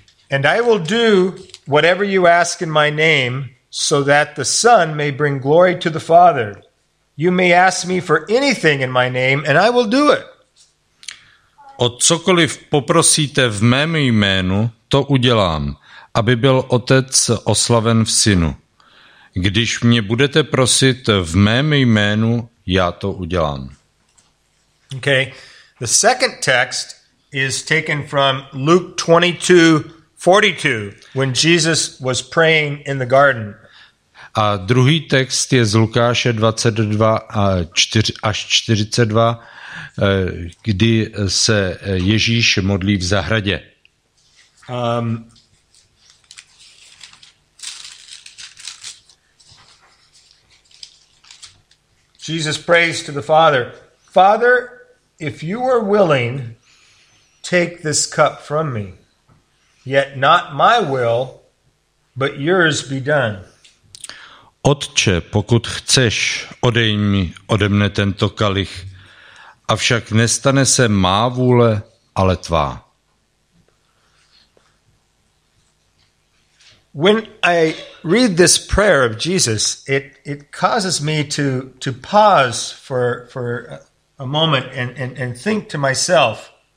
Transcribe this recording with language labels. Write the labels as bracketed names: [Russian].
[English] And I will do whatever you ask in my name, so that the Son may bring glory to the Father. You may ask me for anything in my name, and I will do it. [Czech] O cokoliv poprosíte v mém jménu, to udělám, aby byl Otec oslaven v Synu. Když mě budete prosit v mém jménu, já to udělám. [English] Okay. The second text is taken from Luke 22:42, when Jesus was praying in the garden. [Czech] A druhý text je z Lukáše 22:42, kdy se Ježíš modlí v zahradě. [English] Jesus prays to the Father, Father, if you are willing, take this cup from me. Yet not my will, but yours be done. [Czech] Otče, pokud chceš, odej mi ode mne tento kalich. Avšak nestane se má vůle, ale tvá. [English] When I read this prayer of Jesus, it causes me to pause for a moment and think to myself.